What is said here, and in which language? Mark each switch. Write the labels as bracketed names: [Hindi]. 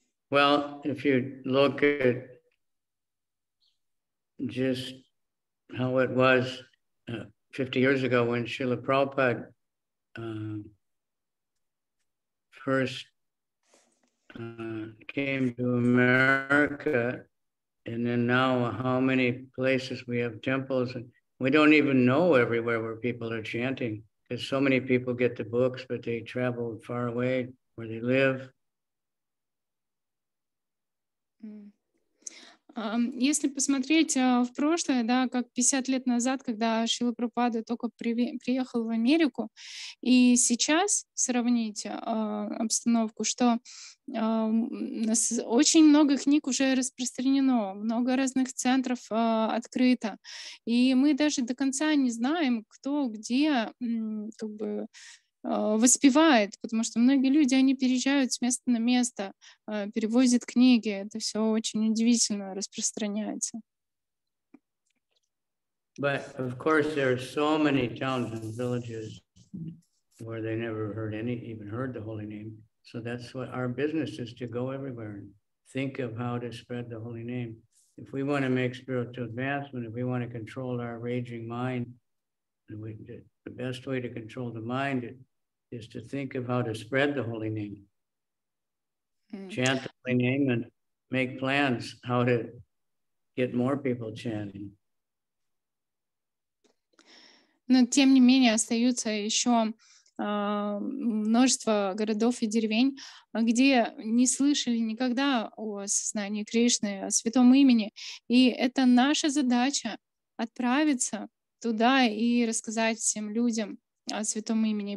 [English] Well, if you look at just how it was 50 years ago when Srila Prabhupada came to America, and then now how many places we have temples, and we don't even know everywhere where people are chanting, because so many people get the books, but they travel far away where they live. [Russian] Если посмотреть в прошлое, да, как 50 лет назад, когда Шрила Прабхупада только приехал в Америку, и сейчас сравнить обстановку, что очень много книг уже распространено, много разных центров открыто, и мы даже до конца не знаем, кто где, как бы, воспевает, потому что многие люди, они переезжают с места на место, перевозят книги. Это все очень удивительно распространяется. [English] But of course there are so many towns and villages where they never heard any, even heard the holy name. So that's what our business is, to go everywhere and think of how to spread the holy name. If we want to make spiritual advancement, if we want to control our raging mind, the best way to control the mind is to think of how to spread the holy name. Chant the holy name and make plans how to get more people chanting. [Russian] Но тем не менее остаются еще множество городов и деревень, где не слышали никогда о сознании Кришны, о святом имени. И это наша задача — отправиться туда и рассказать всем людям о святом имени.